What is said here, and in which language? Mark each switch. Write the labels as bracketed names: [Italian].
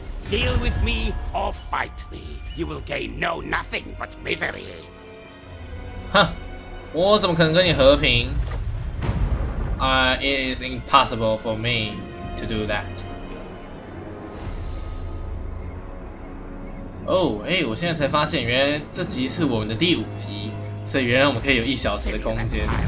[English] Deal with me or fight me. You will gain no nothing but misery. [Chinese] 哈，我怎么可能跟你和平？ [English] It is impossible for me to do that. [Chinese] Oh, 欸，我现在才发现，原来这集是我们的第五集，所以原来我们可以有一小时的空间。